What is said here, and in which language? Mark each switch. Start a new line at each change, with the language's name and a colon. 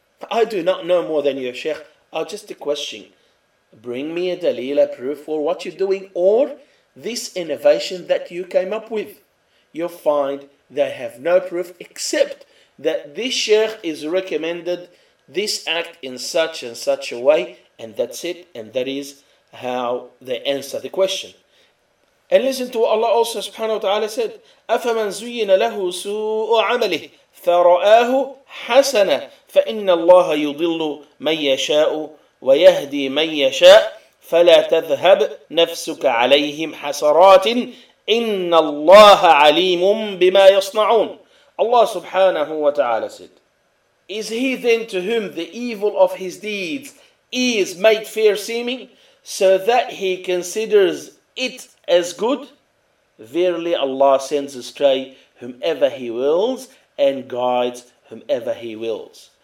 English: I do not know more than your sheikh. Oh, just a question. Bring me a dalil, a proof for what you're doing, or this innovation that you came up with. You'll find they have no proof except that this sheikh is recommended this act in such and such a way, and that's it, and that is how they answer the question. And listen to what Allah also subhanahu wa ta'ala said,
Arabic: أَفَمَنْ زُيِّنَ لَهُ سُوءُ عَمَلِهِ فَرَآهُ حَسَنًا فَإِنَّ اللَّهَ يُضِلُّ مَنْ يَشَاءُ وَيَهْدِي مَنْ يَشَاءُ فَلَا تَذْهَبْ نَفْسُكَ عَلَيْهِمْ حَسَرَاتٍ إِنَّ اللَّهَ عَلِيمٌ بِمَا يَصْنَعُونَ.
English: Allah subhanahu wa ta'ala said, is he then to whom the evil of his deeds is made fair seeming, so that he considers it as good? Verily Allah sends astray whomever he wills and guides whomever he wills.